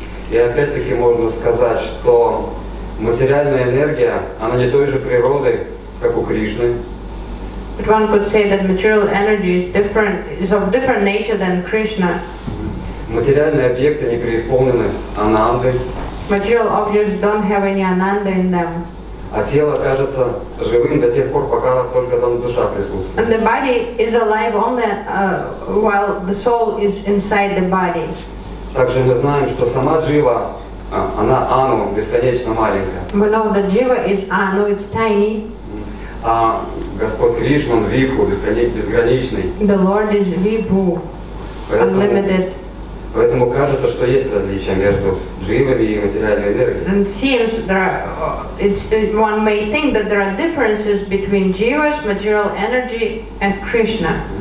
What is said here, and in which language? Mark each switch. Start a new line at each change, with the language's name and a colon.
Russian: И опять-таки можно сказать, что материальная энергия, она не той же природы, как у Кришны.
English: But one could say that material energy is of different nature than Krishna.
Russian: Материальные объекты не преисполнены ананды.
English: Material objects don't have any ananda in them.
Russian: А тело кажется живым до тех пор, пока только там душа присутствует.
English: And the body is alive only while the soul is inside the body.
Russian: Также мы знаем, что сама джива, она ану, бесконечно маленькая.
English: We know that jiva is anu, it's tiny.
Russian: Господь Кришна – Випху, безграничный.
English: The Lord is Vibhu, unlimited.
Russian: Поэтому кажется, что есть различия между дживами и материальной энергией.
English: And seems there are, one may think that there are differences between jivas, material energy, and Krishna.